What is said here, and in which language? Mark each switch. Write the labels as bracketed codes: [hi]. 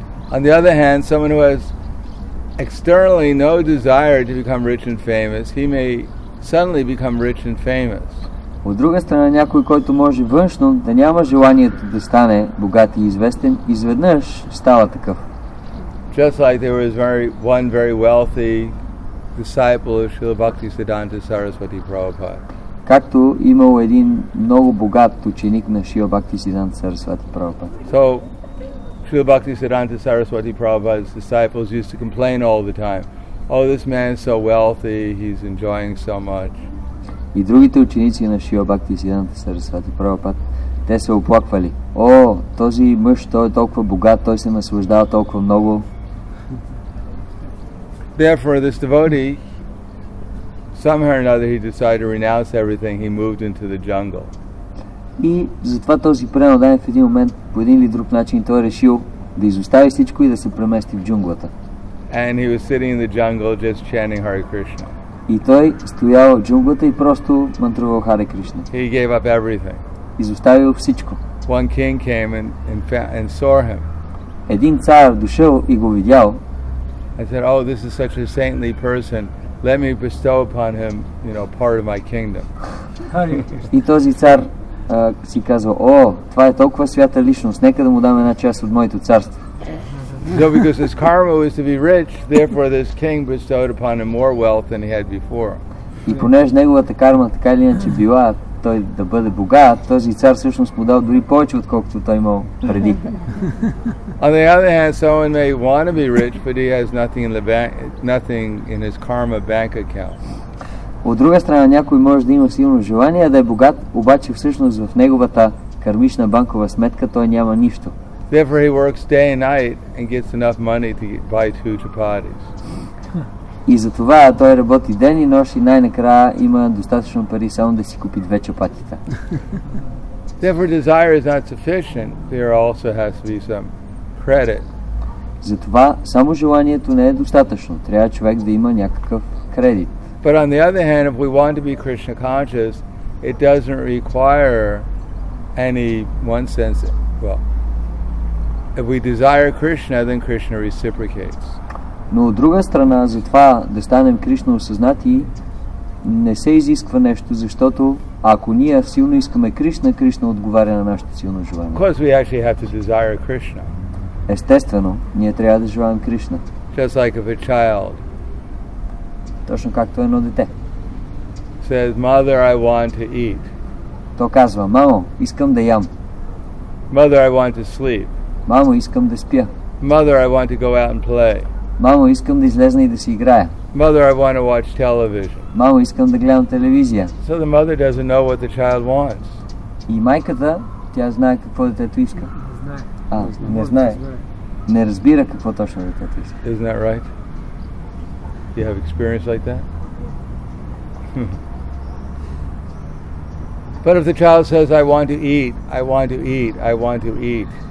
[en] On the other hand, someone who has externally no desire to become rich and famous, he may suddenly become rich and famous. [bg] От друга страна, някой, който може външно да няма желанието да стане богат и известен, изведнъж става такъв. [en] Just like there was one very wealthy disciple of Srila Bhaktisiddhanta Saraswati Prabhupada. [bg] Както имал един много богат ученик на Шрила Бхактисиддханта Сарасвати Прабхупада. [en] So, Шрила Бхактисиддханта Сарасвати Прабхупада's disciples used to complain all the time. Oh, this man is so wealthy, he's enjoying so much. [bg] И другите ученици на Шрила Бхактисиддханта Сарасвати Прабхупада, те се оплаквали. О, този мъж, той е толкова богат, той се наслаждава толкова много. [en] Therefore, this devotee, somehow or another, he decided to renounce everything. He moved into the jungle. [bg] И затова този преноден в един момент по един или друг начин той решил да изостави всичко и да се премести в джунглата. [en] And he was sitting in the jungle just chanting Hare Krishna. [bg] И той стоял в джунглата и просто мантрувал Hare Krishna. [en] He gave up everything. [bg] Изоставил всичко. [en] One king came and saw him. [bg] Един цар дошъл и го видял. [en] I said, "Oh, this is such a saintly person. Let me bestow upon him, you know, part of my kingdom." [bg] И този цар си казва: "О, това е толкова свята личност, нека да му дам една част от моето царство." [en] So because his karma was to be rich, therefore this king bestowed upon him more wealth than he had before. [bg] И понеже неговата карма така или иначе била той да бъде богат, този цар всъщност му дал дори повече отколкото той имал преди. [en] On the other hand, someone may want to be rich, but he has nothing in the bank, nothing in his karma bank account. [bg] От друга страна, някой може да има силно желание да е богат, обаче всъщност в неговата кармична банкова сметка той няма нищо. [en] Therefore, he works day and night and gets enough money to buy two chapatis. [bg] И затова той работи ден и нощ и най-накрая има достатъчно пари само да си купи две чапатита. [en] Therefore, desire is not sufficient. There also has to be some credit. [bg] Затова само желанието не е достатъчно. Трябва човек да има някакъв кредит. [en] But on the other hand, if we want to be Krishna conscious, it doesn't require any one sense. Well, if we desire Krishna, then Krishna reciprocates. [bg] Но от друга страна, за това да станем Кришна осъзнати, не се изисква нещо, защото ако ние силно искаме Кришна, Кришна отговаря на нашето силно желание. [en] Because we actually have to desire Krishna. [bg] Естествено, ние трябва да желаем Кришна. [en] Just like if a child. [bg] Точно както едно дете. [en] Says, "Mother, I want to eat." [bg] То казва: "Мамо, искам да ям." [en] "Mother, I want to sleep." [bg] "Мамо, искам да спя." [en] "Mother, I want to go out and play." [bg] "Мамо, искам да излезна и да си играя." [en] "Mother, I want to watch television." [bg] "Мамо, искам да гледам телевизия." [en] So the mother doesn't know what the child wants. [bg] И майката, тя знае какво детето иска. Не знае. Не разбира какво точно детето иска. [en] Isn't that right? You have experience like that? But if the child says, I want to eat.